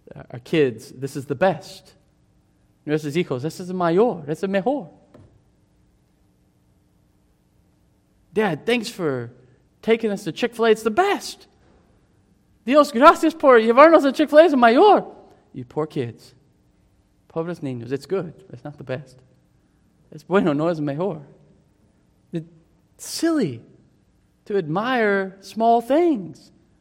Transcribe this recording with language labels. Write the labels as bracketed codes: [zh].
[en] Our kids, this is the best. [es] Nuestros hijos, [en] this is the mayor, this is the mejor. Dad, thanks for taking us to Chick-fil-A, it's the best. [es] Dios, gracias por llevarnos a Chick-fil-A, es el mayor. [en] You poor kids. [es] Pobres niños, [en] it's good, it's not the best. [es] Es bueno, no es el mejor. [en] It's silly to admire small things.